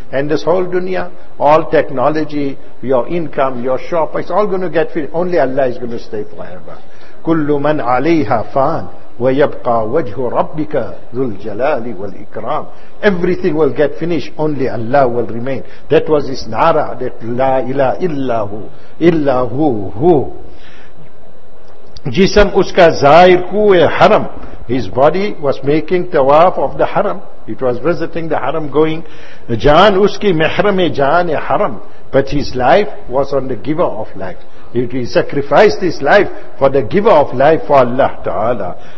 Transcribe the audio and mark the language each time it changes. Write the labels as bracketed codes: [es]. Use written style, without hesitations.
[en] And this whole dunya, all technology, your income, your shop, it's all going to get filled. Only Allah is going to stay forever. [ar] Kullu man alayha faan. وَيَبْقَى وَجْهُ رَبِّكَ ذُو الْجَلَالِ وَالْإِكْرَامِ. [en] Everything will get finished, only Allah will remain. That was his nara, that [ar] لا إله إلا هو إلا هو هو. [ur] جسم اس کا ظاہر کوئے حرم. [en] His body was making tawaf of the haram. It was visiting the haram going. [ur] جان اس کی محرمِ جانِ حرم. [en] But his life was on the giver of life. He sacrificed his life for the giver of life, for Allah Ta'ala.